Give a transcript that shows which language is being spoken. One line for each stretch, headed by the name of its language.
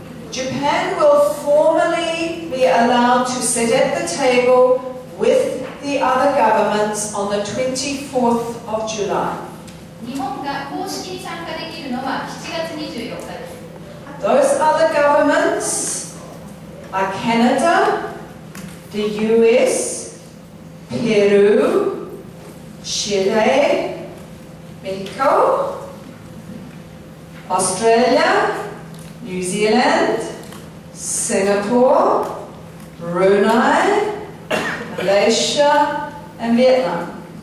English: Japan will formally be allowed to sit at the table with the other governments on the 24th of July.
Japanese: 日本が公式に参加できるのは7月24日です。
English: Those other governments are Canada, the US, Peru, Chile, Mexico, Australia, New Zealand, Singapore, Brunei, Malaysia, and Vietnam.